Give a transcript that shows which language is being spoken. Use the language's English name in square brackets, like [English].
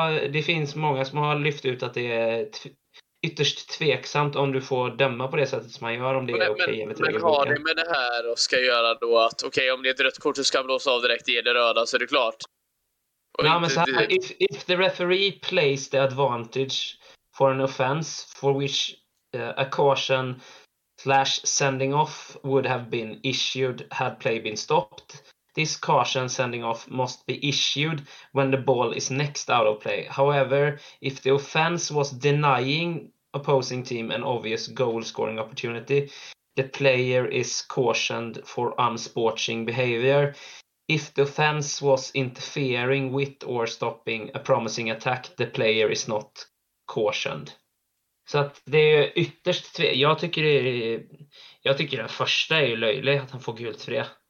[Swedish] det finns många som har lyft ut att det är ytterst tveksamt om du får döma på det sättet som man gör, om det är okej. Men vad har det med det här och ska göra då att okej, om det är ett rött kort så ska blåsa av direkt, ge det röda så är det klart. Nej, men så här, [English] if the referee plays the advantage for an offense for which a caution / sending off would have been issued had play been stopped, this caution sending off must be issued when the ball is next out of play. However, if the offense was denying opposing team an obvious goal scoring opportunity, the player is cautioned for unsporting behavior. If the offense was interfering with or stopping a promising attack, the player is not cautioned. [Swedish] Så att det är ytterst jag tycker den första är ju löjlig, att han får gult för det.